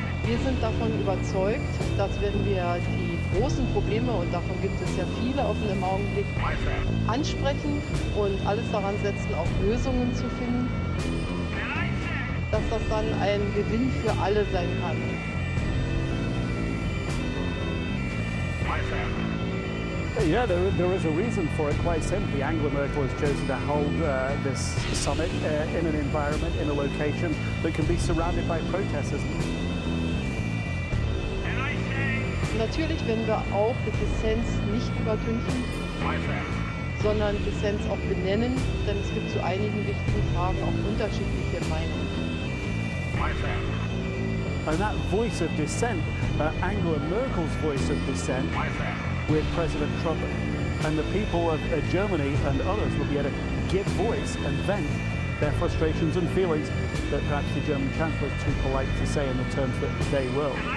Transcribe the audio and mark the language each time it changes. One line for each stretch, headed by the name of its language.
German: Wir sind davon überzeugt, dass wenn wir die großen Probleme, und davon gibt es ja viele offen im Augenblick, ansprechen und alles daran setzen, auch Lösungen zu finden, dass das dann ein Gewinn für alle sein kann.
English: Yeah, there is a reason for it, quite simply. Angela Merkel has chosen to hold this summit in an environment, in a location that can be surrounded by protesters.
German: Natürlich, wenn wir auch Dissens nicht übertünchen, sondern Dissens auch benennen, denn es gibt zu einigen wichtigen Fragen auch unterschiedliche Meinungen.
English: And that voice of dissent, Angela Merkel's voice of dissent, with President Trump, and the people of Germany and others will be able to give voice and vent their frustrations and feelings that perhaps the German Chancellor is too polite to say in the terms that they will.